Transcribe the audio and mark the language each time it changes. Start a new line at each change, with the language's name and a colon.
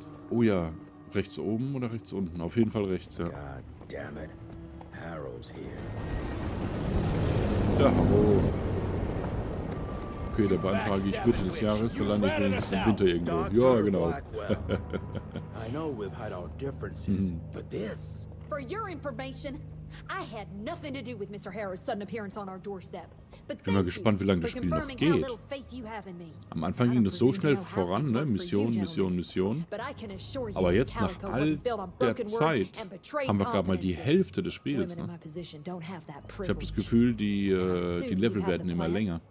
German: Oh ja, rechts oben oder rechts unten? Auf jeden Fall rechts, ja.
English: God damn it. Harrow's here.
German: Ja, hallo. Okay, der beantrage ich Mitte des Jahres, für lande ich wenigstens im Winter irgendwo. Ja, genau.
English: I know we've had our differences, but this... For your information, I had nothing to do with Mr. Harrow's sudden appearance on our doorstep.
German: Ich bin mal gespannt, wie lange das Spiel noch geht. Am Anfang ging das so schnell voran, ne? Mission. Aber jetzt, nach all der Zeit, haben wir gerade mal die Hälfte des Spiels. Ne? Ich habe das Gefühl, die Level werden immer länger.